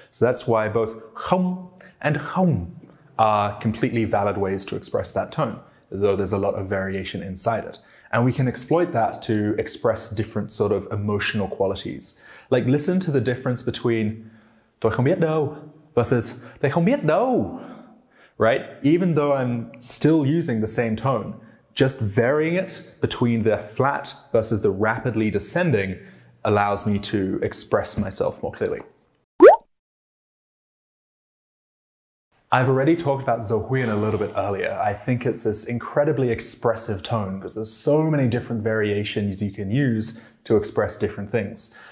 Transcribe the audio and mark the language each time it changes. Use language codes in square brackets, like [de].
[en] So that's why both hum and hum are completely valid ways to express that tone, though there's a lot of variation inside it. And we can exploit that to express different sort of emotional qualities. Like, listen to the difference between [vi] tôi không biết đâu [en] versus [vi] "tôi không biết đâu." [en] Right? Even though I'm still using the same tone, just varying it between the flat versus the rapidly descending allows me to express myself more clearly. I've already talked about Zohuian a little bit earlier. I think it's this incredibly expressive tone because there's so many different variations you can use to express different things.